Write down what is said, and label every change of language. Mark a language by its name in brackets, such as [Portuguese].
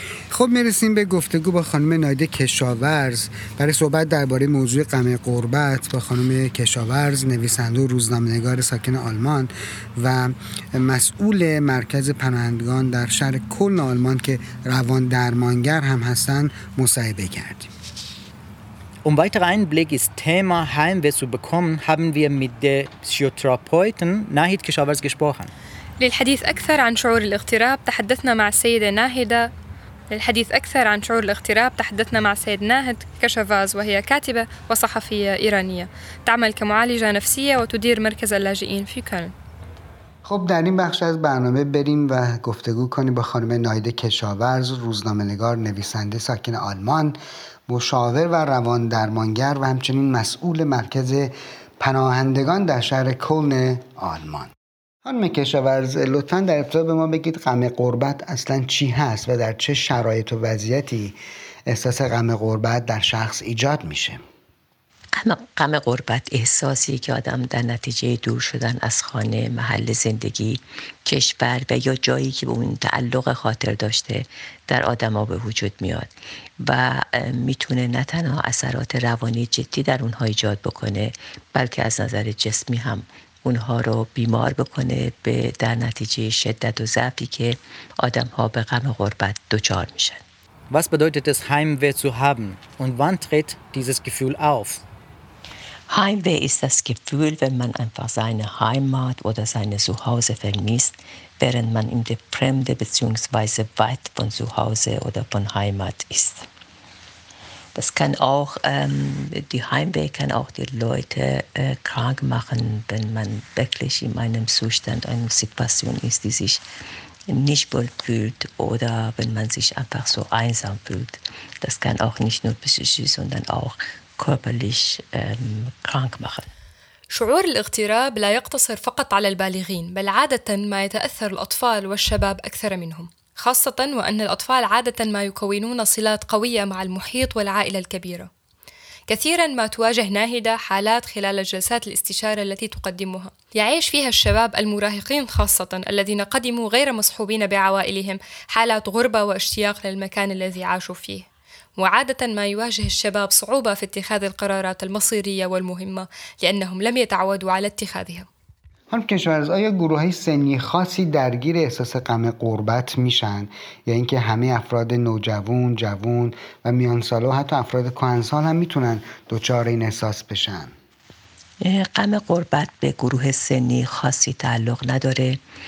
[Persian] خب میرسیم به گفتگو با خانم نایده کشاورز برای صحبت درباره موضوع غم غربت با خانم کشاورز نویسنده و روزنامه‌نگار ساکن آلمان و مسئول مرکز پناهندگان در شهر کلن آلمان که روان درمانگر هم هستن مصاحبه کردیم. [German] Um weiterer Einblick ins Thema Heimweh zu bekommen, haben wir mit der Psychotherapeutin Nahid Keshawarz gesprochen. [Arabic] للحديث أكثر عن شعور الاغتراب تحدثنا مع السيدة ناهدة للحديث أكثر عن شعور الاغتراب تحدثنا مع سيد ناهد كشافاز وهي كاتبة وصحفية إيرانية تعمل كمعالجة نفسية وتدير مركز اللاجئين في كولن. [Persian] خب در این بخش از برنامه بریم و گفتگو کنیم با خانم نایده کشاورز روزنامه‌نگار نویسنده ساکن آلمان مشاور و روان درمانگر و همچنین مسئول مرکز پناهندگان در شهر کلن آلمان. خانم کشاورز، لطفاً در ابتدا به ما بگید غم غربت اصلاً چی هست و در چه شرایط و وضعیتی احساس غم غربت در شخص ایجاد میشه؟ غم غربت احساسی که آدم در نتیجه دور شدن از خانه، محل زندگی، کشور و یا جایی که به اون تعلق خاطر داشته در آدم ها به وجود میاد و میتونه نه تنها اثرات روانی جدی در اونها ایجاد بکنه، بلکه از نظر جسمی هم اونها رو بیمار بکنه، به در نتیجه شدت و ضعفی که آدم ها به غم غربت دچار میشن. [German] Was bedeutet es Heimweh zu haben und wann tritt dieses Gefühl auf? Heimweh ist das Gefühl, wenn man einfach seine Heimat oder seine Zuhause vermisst, während man in der Fremde bzw. weit von Zuhause oder von Heimat ist. Das kann auch, die Heimweh kann auch die Leute krank machen, wenn man wirklich in einem Zustand, einer Situation ist, die sich nicht wohl fühlt oder wenn man sich einfach so einsam fühlt. Das kann auch nicht nur psychisch, sondern auch körperlich krank machen. [Arabic] شعور الاغتراب لا يقتصر فقط على البالغين، بل عادة ما يتأثر الأطفال والشباب أكثر منهم، خاصة وأن الأطفال عادة ما يكونون صلات قوية مع المحيط والعائلة الكبيرة. كثيراً ما تواجه ناهدة حالات خلال جلسات الاستشارة التي تقدمها. يعيش فيها الشباب المراهقين خاصة الذين قدموا غير مصحوبين بعوائلهم حالات غربة واشتياق للمكان الذي عاشوا فيه. وعادة ما يواجه الشباب صعوبة في اتخاذ القرارات المصيرية والمهمة لأنهم لم يتعودوا على اتخاذها. [Persian] هم کشورز آیا گروه های سنی خاصی درگیر احساس غم غربت میشن؟ یا یعنی اینکه همه افراد نوجوان، جوان و میانسال و حتی افراد کهنسال هم میتونن دچار این احساس بشن؟ غم غربت به گروه سنی خاصی تعلق نداره.